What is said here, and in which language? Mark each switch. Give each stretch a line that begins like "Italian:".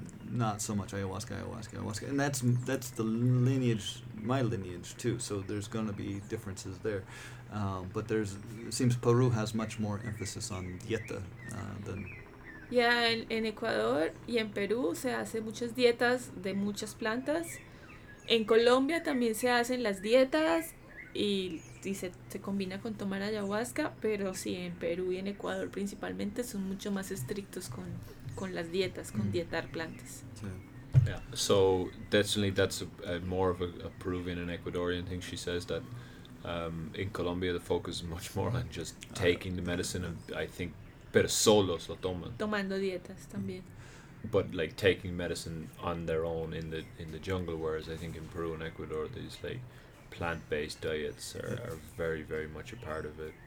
English: Not so much ayahuasca, and that's the lineage, my lineage too. So there's going to be differences there, but it seems Peru has much more emphasis on dieta than.
Spanish: Yeah, en Ecuador y en Perú se hace muchas dietas de muchas plantas. En Colombia también se hacen las dietas. Y se combina con tomar ayahuasca, pero sí, en Perú y en Ecuador principalmente son mucho más estrictos con las dietas, con dietar plantas.
English: Yeah. Yeah. So definitely that's a more of a Peruvian and Ecuadorian thing. She says that in Colombia the focus is much more on just taking the medicine, and I think,
Spanish: pero solos lo toman. Tomando dietas también.
English: But like taking medicine on their own in the jungle, whereas I think in Peru and Ecuador there's like plant-based diets are very, very much a part of it.